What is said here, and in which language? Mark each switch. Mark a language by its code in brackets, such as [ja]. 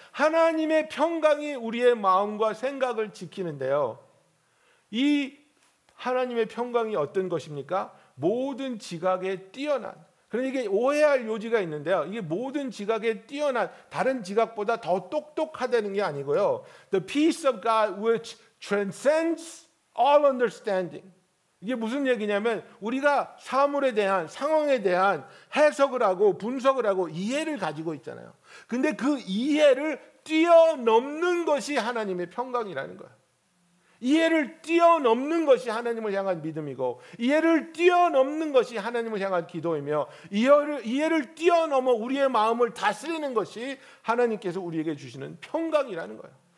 [ko] 하나님의 평강이 우리의 마음과 생각을 지키는데요, 이 하나님의 평강이 어떤 것입니까? 모든 지각에 뛰어난, 그러니까 이게 오해할 요지가 있는데요. 이게 모든 지각에 뛰어난, 다른 지각보다 더 똑똑하다는 게 아니고요. [en] The peace of God which transcends all understanding. [ko] 이게 무슨 얘기냐면 우리가 사물에 대한, 상황에 대한 해석을 하고 분석을 하고 이해를 가지고 있잖아요. 근데 그 이해를 뛰어넘는 것이 하나님의 평강이라는 거예요. 이해를 뛰어넘는 것이 하나님을 향한 믿음이고, 이해를 뛰어넘는 것이 하나님을 향한 기도이며, 이해를 뛰어넘어 우리의 마음을 다스리는 것이 하나님께서 우리에게 주시는 평강이라는 거예요.